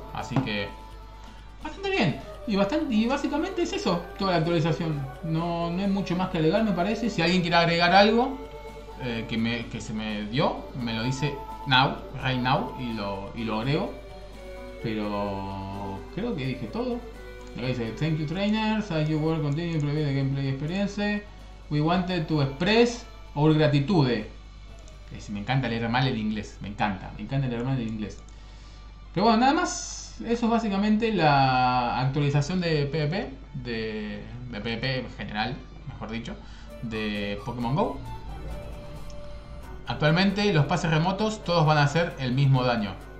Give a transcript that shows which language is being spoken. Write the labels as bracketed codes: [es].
[es] Así que bastante bien. Y básicamente es eso, toda la actualización. No, no hay mucho más que agregar, me parece. Si alguien quiere agregar algo que se me dio, me lo dice [en] now, right now, [es] y lo agrego. Pero creo que dije todo. Lo que dice, [en] thank you trainers, as you work continue to improve the gameplay experience. We wanted to express our gratitude. [es] Me encanta leer mal el inglés, me encanta leer mal el inglés. Pero bueno, nada más, eso es básicamente la actualización de PvP, de PvP en general, mejor dicho, de Pokémon GO. Actualmente los pases remotos todos van a hacer el mismo daño.